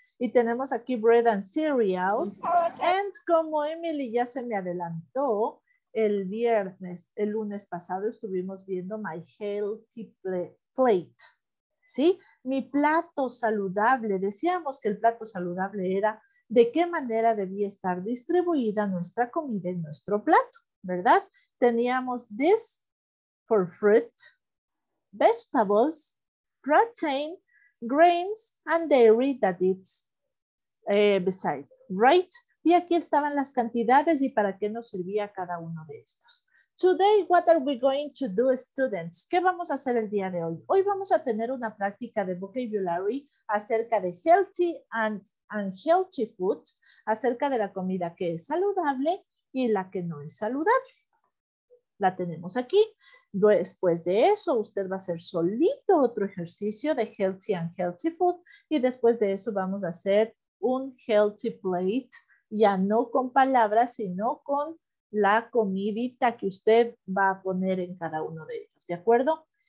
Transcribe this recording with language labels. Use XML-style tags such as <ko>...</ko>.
<es>Y tenemos aquí</es> <en>bread and cereals.</en> <es>And como Emily ya se me adelantó, el lunes pasado estuvimos viendo My Healthy Plate. ¿Sí? Mi plato saludable. Decíamos que el plato saludable era de qué manera debía estar distribuida nuestra comida en nuestro plato, ¿verdad? Teníamos</es> <en>this for fruit, vegetables, protein, grains, and dairy that it's beside, right?</en> <es>Y aquí estaban las cantidades y para qué nos servía cada uno de estos.</es> <en>Today, what are we going to do, students?</en> <es>¿Qué vamos a hacer el día de hoy? Hoy vamos a tener una práctica de vocabulary acerca de</es> <en>healthy and unhealthy food,</en> <es>acerca de la comida que es saludable y la que no es saludable. La tenemos aquí. Después de eso, usted va a hacer solito otro ejercicio de</es> <en>healthy and unhealthy food</en> <es>y después de eso vamos a hacer un healthy plate, ya no con palabras, sino con la comidita que usted va a poner en cada uno de ellos, ¿de acuerdo?</es>